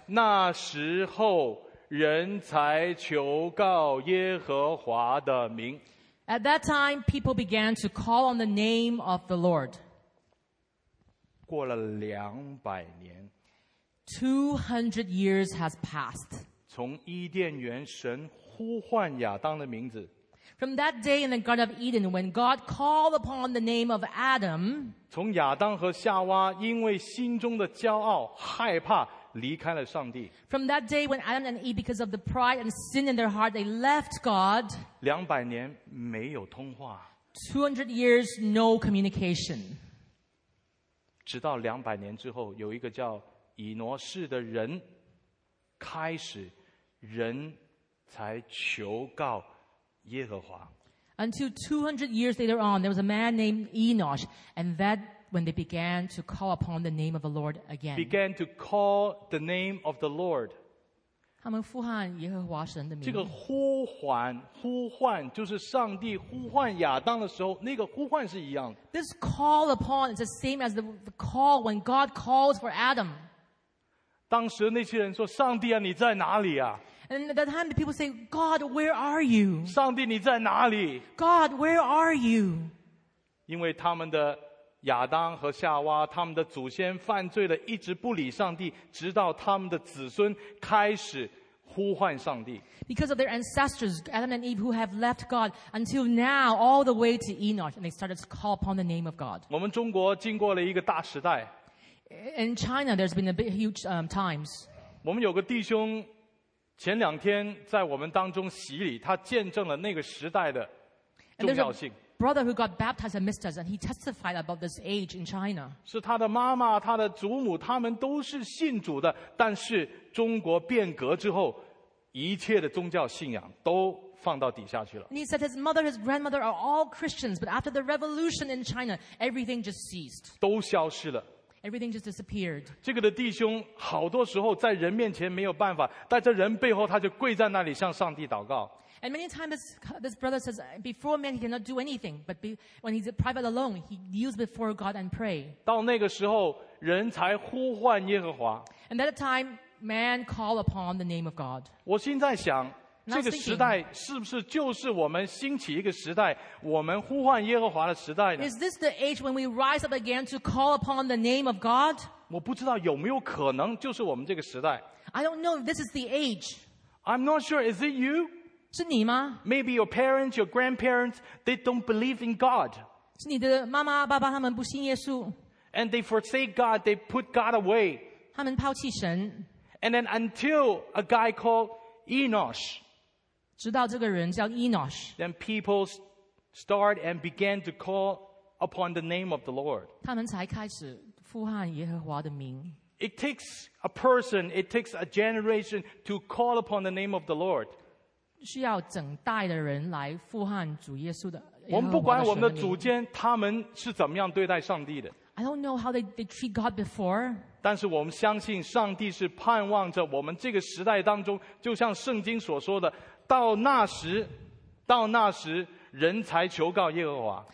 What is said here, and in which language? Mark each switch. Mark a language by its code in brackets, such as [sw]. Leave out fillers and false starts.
[zh] 那时候人才求告耶和华的名。 [en] At that time, people began to call on the name of the Lord. [zh] 过了200年。 [en] 200 years has passed. [zh] 从伊甸园神呼唤亚当的名字。 [en] From that day in the Garden of Eden, when God called upon the name of Adam, [zh] 从亚当和夏娃因为心中的骄傲害怕离开了上帝。 [en] From that day when Adam and Eve, because of the pride and sin in their heart, they left God. [zh] 200年没有通话。 [en] 200 years, no communication. [zh] 直到200年之后，有一个叫以挪士的人，开始人才求告耶和华。 [en] Until 200 years later on, there was a man named Enosh, and that when they began to call upon the name of the Lord again. Began to call the name of the Lord. [zh] 他们呼喊耶和华神的名。这个呼唤，呼唤，就是上帝呼唤亚当的时候，那个呼唤是一样的。 [en] This call upon is the same as the call when God calls for Adam. [zh] 当时那些人说，上帝啊，你在哪里啊？ [en] And at that time, the people say, God, where are you? [zh] 上帝，你在哪里？ [en] God, where are you? [zh] 因为他们的亚当和夏娃，他们的祖先犯罪了，一直不理上帝，直到他们的子孙开始呼唤上帝。 [en] Because of their ancestors, Adam and Eve, who have left God until now, all the way to Enoch, and they started to call upon the name of God. [zh] 我们中国经过了一个大时代。 [en] In China, there's been a big, huge times. [zh] 我们有个弟兄前两天在我们当中洗礼，他见证了那个时代的重要性。 [en] And there's a brother who got baptized and missed us, and he testified about this age in China. [zh] 是他的妈妈、他的祖母，他们都是信主的，但是中国变革之后，一切的宗教信仰都放到底下去了。 [en] And he said his mother, his grandmother are all Christians, but after the revolution in China, everything just ceased. [zh] 都消失了。 [en] Everything just disappeared. [zh] 这个的弟兄好多时候在人面前没有办法，但在人背后他就跪在那里向上帝祷告。 [en] And many times this brother says, before man he cannot do anything, but when he's private alone, he kneels before God and pray. [zh] 到那个时候，人才呼唤耶和华。 [en] And at that time, man called upon the name of God. [zh] 我现在想，这个时代是不是就是我们兴起一个时代，我们呼唤耶和华的时代呢？ [en] Is this the age when we rise up again to call upon the name of God? [zh] 我不知道有没有可能就是我们这个时代。 [en] I don't know if this is the age. I'm not sure. Is it you? [zh] 是你吗？ [en] Maybe your parents, your grandparents, they don't believe in God. [zh] 是你的妈妈、爸爸他们不信耶稣。 [en] And they forsake God, they put God away. [zh] 他们抛弃神。 [en] And then until a guy called Enosh, [zh] 直到这个人叫 Enosh, [en] then people start and began to call upon the name of the Lord. [zh] 他们才开始呼喊耶和华的名。 [en] It takes a person, it takes a generation to call upon the name of the Lord. [zh] 需要整代的人来呼喊主耶稣的。我们不管我们的祖先他们是怎么样对待上帝的。 [en] I don't know how they treat God before. [zh] 但是我们相信上帝是盼望着我们这个时代当中，就像圣经所说的，到那时人才求告耶和华。